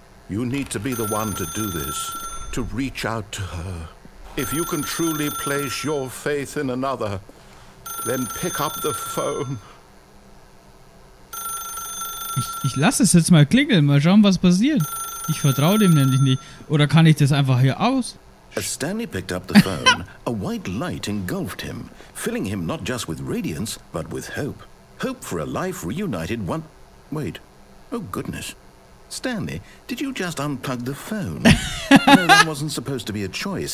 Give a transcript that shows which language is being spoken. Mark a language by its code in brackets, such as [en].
[en] You need to be the one to do this. To reach out to her. If you can truly place your faith in another, then pick up the phone. [de] Ich lasse es jetzt mal klingeln. Mal schauen, was passiert. Ich vertraue dem nämlich nicht. Oder kann ich das einfach hier aus? [en] As Stanley picked up the phone, a white light engulfed him, filling him not just with radiance, but with hope. Hope for a life reunited one... Wait. Oh, goodness. Stanley, did you just unplug the phone? No, that wasn't supposed to be a choice.